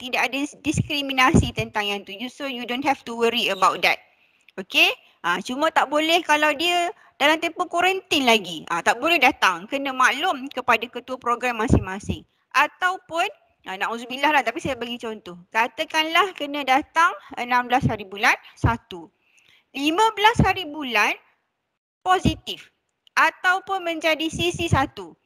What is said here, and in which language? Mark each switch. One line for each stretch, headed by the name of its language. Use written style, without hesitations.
Malay: Tidak ada diskriminasi tentang yang tu.
English: So you don't have to worry about that. Okay?
Malay: Cuma tak boleh kalau dia dalam tempoh kuarantin lagi. Tak boleh datang. Kena maklum kepada ketua program masing-masing. Ataupun, na'udzubillah lah, tapi saya bagi contoh. Katakanlah kena datang 16 hari bulan 1. 15 hari bulan positif. Ataupun menjadi CC1.